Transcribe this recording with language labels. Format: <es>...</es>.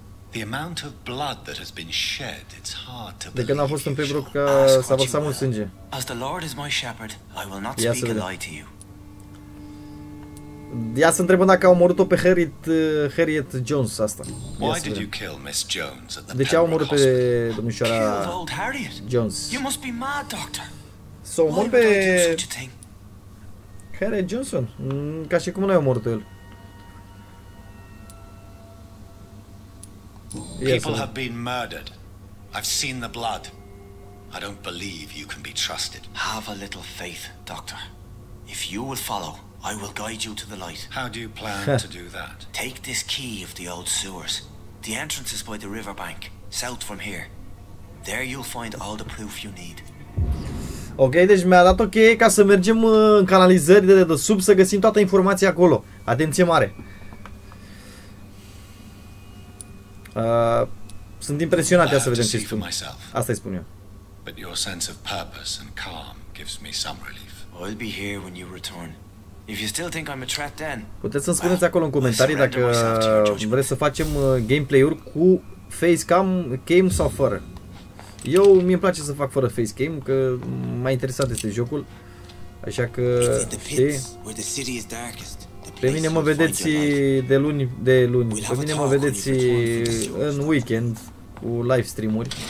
<en>The amount of blood that has been shed, it's hard to believe.</en> <ro>De când a fost în Pembroke că s-a vărsat mult sânge.</ro> <en>As the Lord is my shepherd, I will not speak a lie to you.</en> <ro>Ia să întrebăm dacă au omorât-o pe Harriet Jones asta.</ro> <en>Why did you kill Miss Jones at the Pembroke Hospital?</en> <ro>De ce a omorât pe domnișoara Jones?</ro> <en>You must be mad, doctor.</en> <ro>S-a omorât pe Harriet Johnson? Ca și cum nu ai omorât-o el.</ro> <en>People have been murdered. I've seen the blood. I don't believe you can be trusted. Have a little faith, doctor. If you will follow, I will guide you to the light. How do you plan to do that? Take this key of the old sewers. The entrance is by the riverbank, south from here. There you'll find all the proof you need.</en> <ro>Ok, deci mi-a dat ok ca să mergem în canalizări de dedesub să găsim toată informația acolo. Atenție mare. Sunt impresionat, ia să vedem ce spun. Asta-i spun eu.</ro> <en>But your sense of purpose and calm gives me some relief. I'll be here when you return. If you still think I'm a threat then.</en> <ro>Puteți să-mi spuneți acolo în comentarii dacă vreți să facem gameplay-uri cu facecam, cam sau fără. Eu mi-e place să fac fără facecam, că m-a interesat este jocul. Așa că, știi? Pe mine mă vedeți de luni, pe mine mă vedeți în weekend cu live stream-uri.</ro>